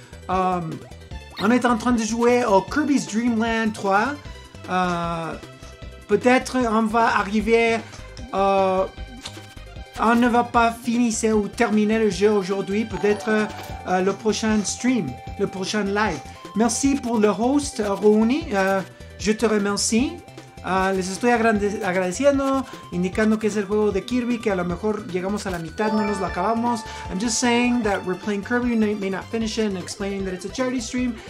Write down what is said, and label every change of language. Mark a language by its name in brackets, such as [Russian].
[French] On est en train de jouer au Kirby's Dream Land 3. Peut-être on va arriver... on ne va pas finir ou terminer le jeu aujourd'hui, peut-être le prochain stream, le prochain live. Merci pour le host, Rouni, je te remercie. [Spanish] Les estoy agradeciendo, indicando que es el juego de Kirby, que a lo mejor llegamos a la mitad, no nos lo acabamos. [English] I'm just saying that we're playing Kirby, may not finish it, and explaining that it's a charity stream.